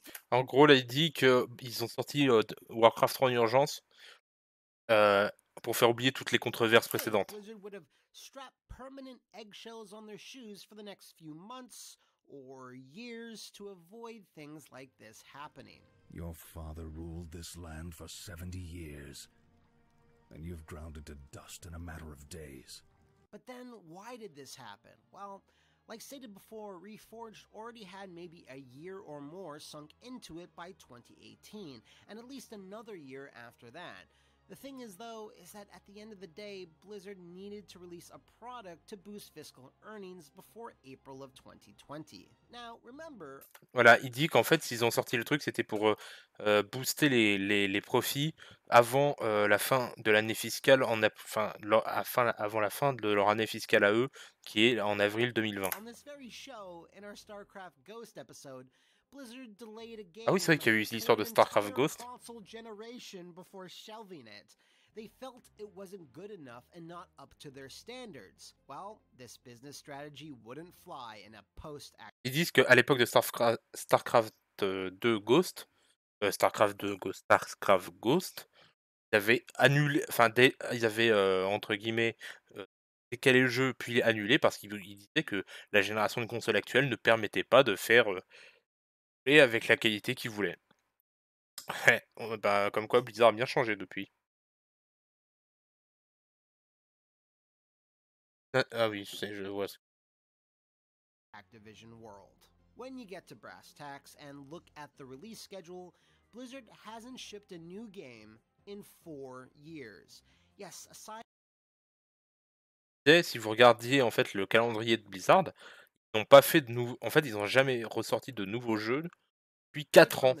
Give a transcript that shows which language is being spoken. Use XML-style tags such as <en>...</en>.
<fr>En gros, là, il dit qu'ils ont sorti Warcraft 3 en urgence pour faire oublier toutes les controverses précédentes.</fr> <en>Blizzard would have strapped permanent eggshells on their shoes for the next few months or years to avoid things like this happening. Your father ruled this land for 70 years, and you've ground it to dust in a matter of days. But then, why did this happen? Well... Like stated before, Reforged already had maybe a year or more sunk into it by 2018, and at least another year after that. The thing is, though, is that at the end of the day, Blizzard needed to release a product to boost fiscal earnings before April of 2020. Now, remember...</en> <fr>Voilà, il dit qu'en fait, s'ils ont sorti le truc, c'était pour booster les profits avant la fin de l'année fiscale, avant la fin de leur année fiscale à eux, qui est en avril 2020.</fr> <en>On this very show, in our StarCraft Ghost episode, Blizzard delayed a game.</en> <fr>Ah oui, c'est vrai qu'il y a eu l'histoire de StarCraft Ghost.</fr> <en>Console generation before shelving it. They felt it wasn't good enough and not up to their standards. Well, this business strategy wouldn't fly in a post-action.</en> <fr>Ils disent qu'à l'époque de StarCraft 2 Ghost, ils avaient annulé, enfin, ils avaient entre guillemets décalé le jeu puis annulé parce qu'ils disaient que la génération de consoles actuelle ne permettait pas de faire et avec la qualité qu'ils voulaient. comme quoi Blizzard a bien changé depuis. Ah oui, je vois.</fr> <en>Activision World. When you get to brass tacks and look at the release schedule, Blizzard hasn't shipped a new game in 4 years. Yes, aside.</en> <fr>Si vous regardiez en fait le calendrier de Blizzard, ils n'ont pas fait de nouveau. En fait, ils n'ont jamais ressorti de nouveaux jeux depuis 4 ans.</fr>